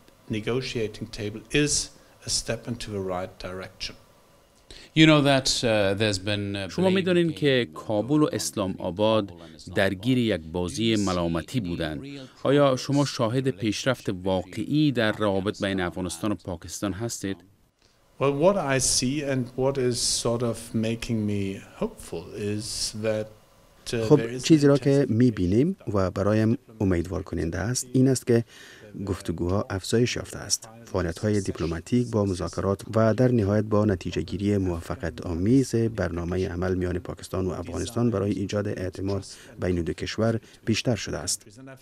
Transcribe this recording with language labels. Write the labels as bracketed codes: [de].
[en] Negotiating table is a step into the right direction. You know that there's been. [fa] شما می‌دانید که کابل و اسلام آباد درگیر یک بازی ملامتی بودند. آیا شما شاهد پیشرفت واقعی در روابط بین افغانستان و پاکستان هستید؟ [en] Well, what I see and what is sort of making me hopeful is that. [fa] خب چیزی را که می‌بینیم و برایم امیدوار کننده است این است که گفتگوها افزایش یافته است. فعالیت‌های دیپلماتیک با مذاکرات و در نهایت با نتیجه‌گیری موافقت‌آمیز برنامه عمل میان پاکستان و افغانستان برای ایجاد اعتماد بین دو کشور بیشتر شده است.